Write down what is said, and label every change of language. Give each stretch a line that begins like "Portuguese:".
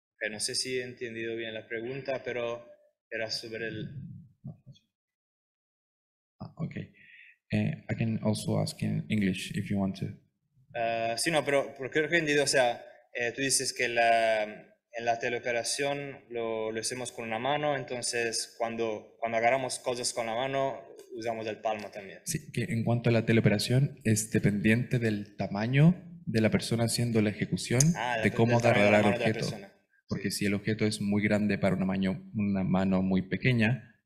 Spanish: No sé si he entendido bien la pregunta, pero era sobre el... Ah, ok.
English: I can also ask in English if you want to.
Spanish: Sí, no, pero creo que he entendido, o sea, tú dices que en la teleoperación lo hacemos con una mano, entonces cuando agarramos cosas con la mano, usamos el palmo también. Sí, que en cuanto a la teleoperación, es dependiente del tamaño de la persona haciendo la ejecución, de cómo agarrará el objeto. Porque si el objeto es muy grande para una mano muy pequeña,